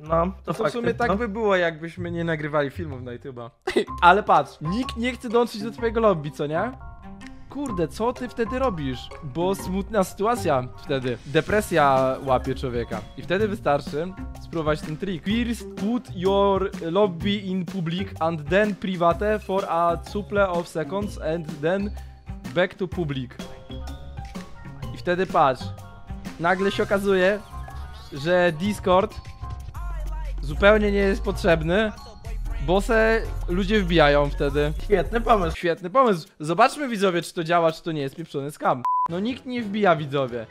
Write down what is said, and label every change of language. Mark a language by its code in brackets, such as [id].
[pl] No, to fakty, w sumie tak no. by było, jakbyśmy nie nagrywali filmów na YouTube'a. Ale patrz, nikt nie chce dołączyć do twojego lobby, co nie? Kurde, co ty wtedy robisz? Bo smutna sytuacja wtedy. Depresja łapie człowieka. I wtedy wystarczy spróbować ten trik. [en] First put your lobby in public and then private for a couple of seconds and then back to public. [pl] I wtedy patrz. Nagle się okazuje, że Discord zupełnie nie jest potrzebny. Bo se ludzie wbijają wtedy. Świetny pomysł. Świetny pomysł. Zobaczmy, widzowie, czy to działa, czy to nie jest pieprzony scam. No nikt nie wbija, widzowie.